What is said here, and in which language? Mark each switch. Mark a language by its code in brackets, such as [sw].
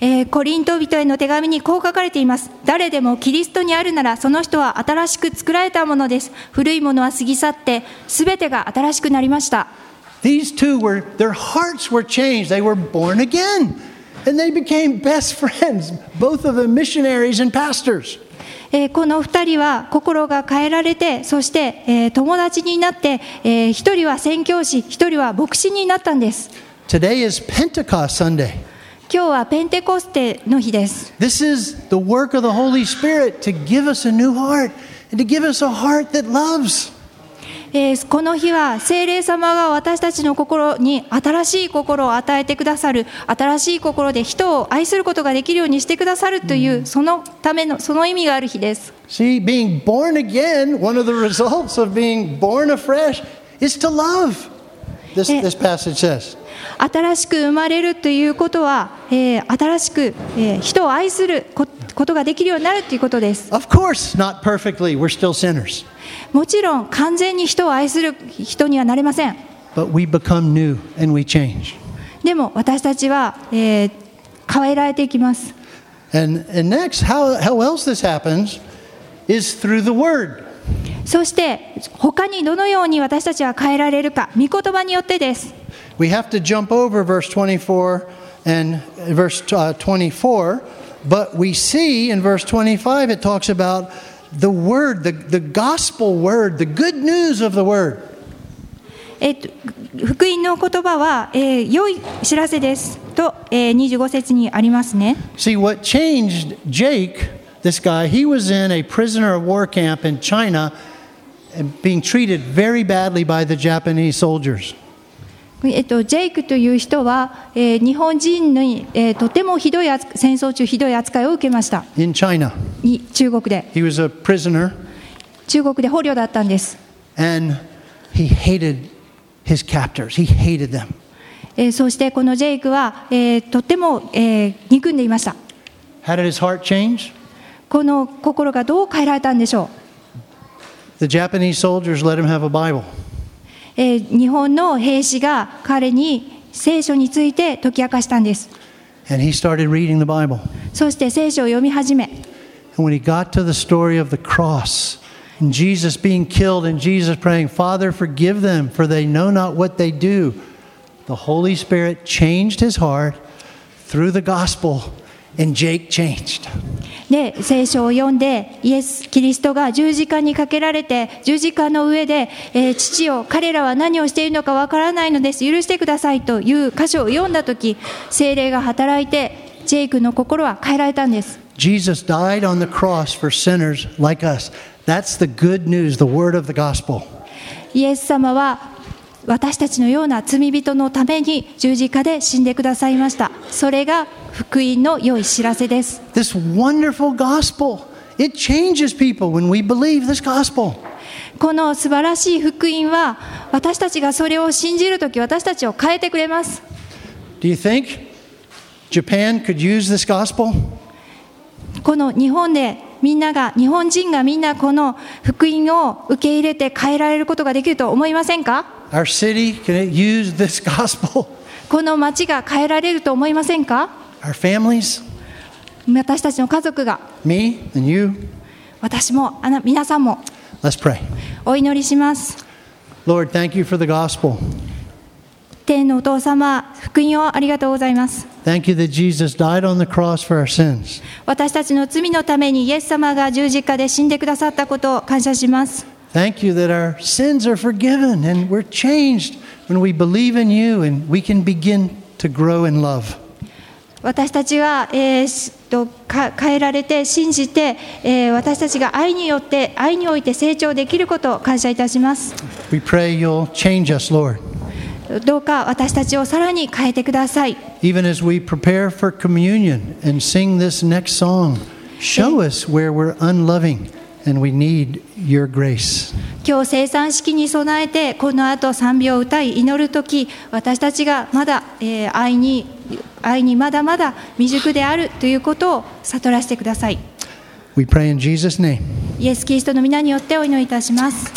[ja] コリント人への手紙にこう書かれています。誰でもキリストにあるなら、その人は新しく作られたものです。古いものは過ぎ去って、すべてが新しくなりました。 [en] These two were, their hearts were changed. They were born again. And they became best friends, both of them missionaries and pastors. [ja] この二人は心が変えられて、そして、友達になって、一人は宣教師、一人は牧師になったんです。 [en] Today is Pentecost Sunday. [ja] 今日はペンテコステの日です。 [en] This is the work of the Holy Spirit to give us a new heart and to give us a heart that loves. [ja] この日は聖霊様が私たちの心に新しい心を与えてくださる、新しい心で人を愛することができるようにしてくださるという、そのための、その意味がある日です。 [en] See, being born again, one of the results of being born afresh is to love. This passage says. [ja] 新しく生まれるということは、新しく、人を愛することができるようになるということです。 [en] Of course, not perfectly. We're still sinners. [ja] もちろん完全に人を愛する人にはなれません。 [en] But we become new and we change. [ja] でも私たちは、変えられていきます。 [en] And next, how else this happens is through the word. [ja] そして他にどのように私たちは変えられるか、御言葉によってです。 [en] We have to jump over verse 24 and verse 24, but we see in verse 25 it talks aboutThe word, the gospel word, the good news of the word. [ja] 福音の言葉は、良い知らせですと、25節にありますね。 [en] See, what changed Jake this guy, he was in a prisoner of war camp in China and being treated very badly by the Japanese soldiers. [ja] ジェイクという人は、日本人に、とてもひどい戦争中ひどい扱いを受けました。 [en] In China. [ja] 中国で。 [en] He was a prisoner. [ja] 中国で捕虜だったんです。 [en] And he hated his captors. He hated them. [ja] そしてこのジェイクは、とても、憎んでいました。 [en] How did his heart change? [ja] この心がどう変えられたんでしょう。 [en] The Japanese soldiers let him have a Bible. [ja] 日本の兵士が彼に聖書について解き明かしたんです。 [en] And he started reading the Bible. [ja] そして聖書を読み始め。 [en] And when he got to the story of the cross, and Jesus being killed, and Jesus praying, Father, forgive them, for they know not what they do, the Holy Spirit changed his heart through the gospel. And Jake changed. [ja] で、聖書を読んで、イエス・キリストが十字架にかけられて、十字架の上で、父よ、彼らは何をしているのかわからないのです。許してくださいという箇所を読んだとき、聖霊が働いて、ジェイクの心は変えられたんです。 [en] Jesus died on the cross for sinners like us. That's the good news, the word of the gospel. [ja] イエス様は私たちのような罪人のために十字架で死んでくださいました。それが福音の良い知らせです。 [en] This wonderful gospel, it changes people when we believe this gospel. [ja] この素晴らしい福音は私たちがそれを信じるとき私たちを変えてくれます。 [en] Do you think Japan could use this gospel? [ja] この日本でみんなが日本人がみんなこの福音を受け入れて変えられることができると思いませんか？ [en] Our city, can it use this gospel? [ja] この町が変えられると思いませんか？ [en] Our families? [ja] 私たちの家族が。 [en] Me and you? [ja] 私も、皆さんも。 [en] Let's pray. [ja] お祈りします。 [en] Lord, thank you for the gospel. [ja] 天のお父様、福音をありがとうございます。 [en] Thank you that Jesus died on the cross for our sins. [ja] 私たちの罪のためにイエス様が十字架で死んでくださったことを感謝します。 [en] Thank you that our sins are forgiven and we're changed when we believe in you and we can begin to grow in love. [ja] 私たちは、変えられて信じて、私たちが愛によって愛において成長できることを感謝いたします。 [en] We pray you'll change us, Lord. [ja] どうか私たちをさらに変えてください。 [en] Even as we prepare for communion and sing this next song, show us where we're unloving. And we need your grace. [ja] 今日聖餐式に備えてこの後賛美を歌い祈るとき私たちがまだ、愛にまだまだ未熟であるということを悟らせてください。 [en] We pray in Jesus' name. [ja] イエス・キリストの御名によってお祈りいたします。